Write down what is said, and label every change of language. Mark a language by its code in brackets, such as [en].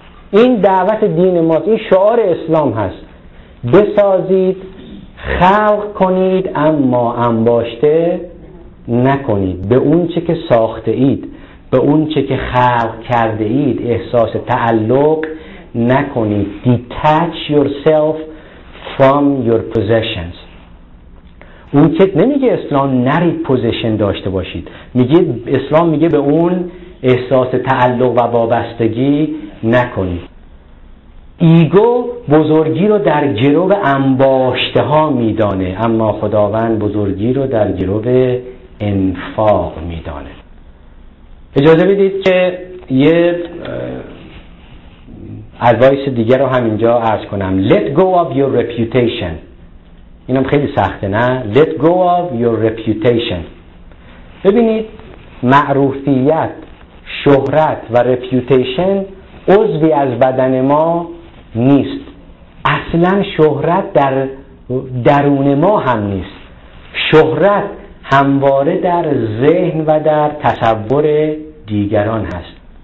[fa] این دعوت دین ماست، این شعار اسلام هست. بسازید، خلق کنید، اما انباشته نکنید. به اون چه که ساخته اید، به اون چه که خلق کرده اید احساس تعلق نکنید. [en] Detach yourself from your possessions. [fa] اون که نمیگه اسلام نرید پوزیشن داشته باشید، میگه اسلام میگه به اون احساس تعلق و وابستگی نکنید. ایگو بزرگی رو در گرو انباشته ها میدانه، اما خداوند بزرگی رو در گرو انفاق میدانه. اجازه بدید که یه ادوایس دیگه رو همینجا عرض کنم. [en] Let go of your reputation. [fa] اینم خیلی سخته، نه؟ [en] Let go of your reputation. [fa] ببینید، معروفیت، شهرت و reputation عضوی از بدن ما نیست. اصلا شهرت در درون ما هم نیست. شهرت همواره در ذهن و در تصور دیگران هست.